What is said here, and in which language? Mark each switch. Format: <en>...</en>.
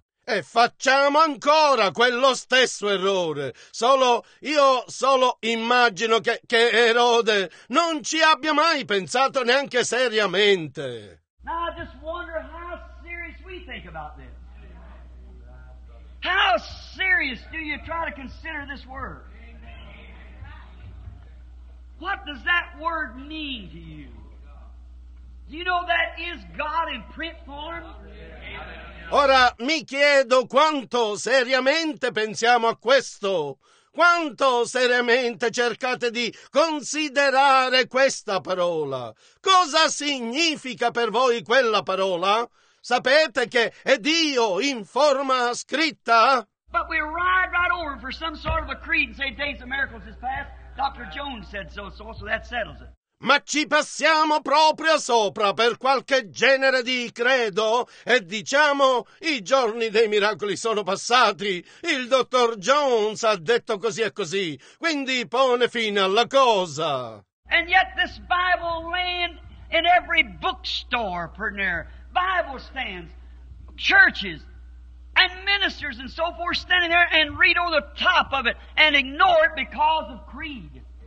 <it>E facciamo ancora quello stesso errore. Solo immagino che Erode non ci abbia mai pensato neanche seriamente.</it> <en>Now I just wonder how serious we think about this. How serious do you try to consider this word? What does that word mean to you? You know that is God in print form?</en> <it>Ora mi chiedo quanto seriamente pensiamo a questo. Quanto seriamente cercate di considerare questa parola. Cosa significa per voi quella parola? Sapete che è Dio in forma scritta?</it> <en>But we ride right over for some sort of a creed and say days of miracles is past. Dr. Jones said so that settles it.</en> <it>Ma ci passiamo proprio sopra per qualche genere di credo e diciamo i giorni dei miracoli sono passati, il dottor Jones ha detto così e così, quindi pone fine alla cosa.</it> <en>And yet this Bible land in every bookstore per near, Bible stands, churches and ministers and so forth standing there and read over the top of it and ignore it because of creed.</en>